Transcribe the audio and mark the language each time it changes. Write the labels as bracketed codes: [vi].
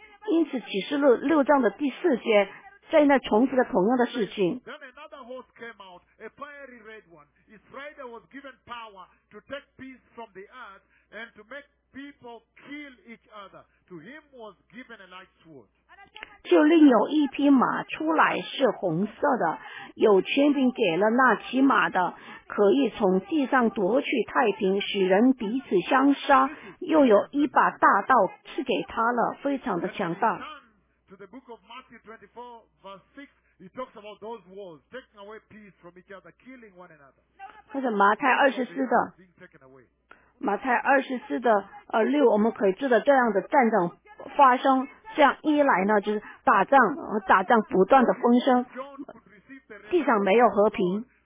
[zh] 因此启示录六章的第四节在那重复了同样的事情。 [en] Then another horse came out, a fiery red one. Its rider was given power to take peace from the earth and to make people kill each other. To him was given a light sword. [zh] 就另有一匹马出来是红色的，有权柄给了那骑马的，可以从地上夺取太平，使人彼此相杀，又有一把大刀赐给他了，非常的强大。 [en] To the book of Matthew 24:6, he talks about those wars, taking away peace from each other, killing one another. [zh] 他是马太24的，马太24:6，我们可以知道这样的战争发生，这样一来呢，就是打仗不断的风声，地上没有和平。